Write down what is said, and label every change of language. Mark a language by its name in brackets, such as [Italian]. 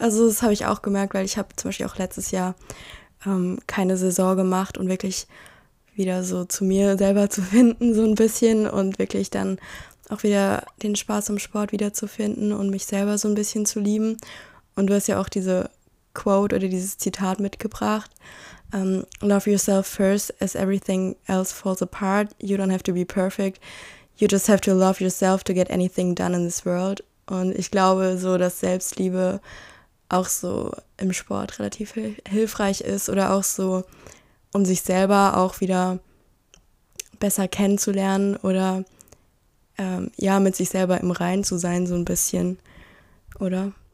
[German] Also das habe ich auch gemerkt, weil ich habe zum Beispiel auch letztes Jahr keine Saison gemacht und wirklich wieder so zu mir selber zu finden so ein bisschen und wirklich dann auch wieder den Spaß im Sport wiederzufinden und mich selber so ein bisschen zu lieben. Und du hast ja auch diese Quote oder dieses Zitat mitgebracht. [English] Love yourself first as everything else falls apart. You don't have to be perfect. You just have to love yourself to get anything done in this world. [German] Und ich glaube so, dass Selbstliebe auch so im Sport relativ hilfreich ist oder auch so, um sich selber auch wieder besser kennenzulernen oder ja, mit sich selber im Reinen zu sein, so ein bisschen, oder?